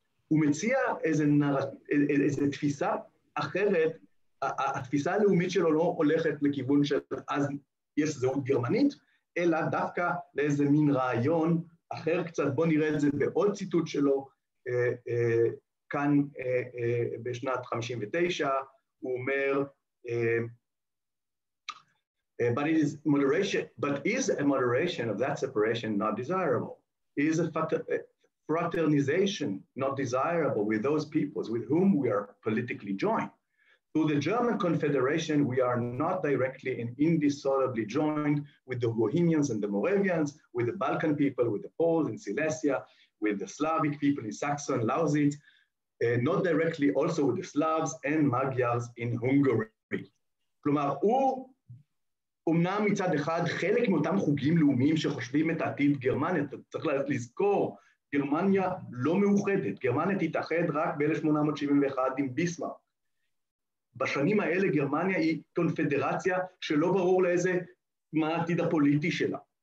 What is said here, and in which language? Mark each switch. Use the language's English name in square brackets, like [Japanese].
[Hebrew] הוא מציע איזה תפיסה אחרת, התפיסה הלאומית שלו לא הולכת לכיוון של אז יש זהות גרמנית, אלא דווקא לאיזה מין רעיון אחר קצת, בוא נראה את זה בעוד ציטוט שלו, כאן בשנת 59, הוא אומר, [English] but is a moderation of that separation not desirable? Is a fraternization not desirable with those peoples with whom we are politically joined? To the German Confederation, we are not directly and indissolubly joined with the Bohemians and the Moravians, with the Balkan people, with the Poles in Silesia, with the Slavic people in Saxon, Lausitz, not directly also with the Slavs and Magyars in Hungary. [Hebrew] כלומר, הוא אומנם מצד אחד חלק מאותם חוגים לאומיים שחושבים את העתיד גרמניה, צריך לזכור, גרמניה לא מאוחדת, גרמניה תתאחד רק ב-1871 עם ביסמרק. בשנים האלה גרמניה היא קונפדרציה שלא ברור לאיזה מה העתיד הפוליטי שלה.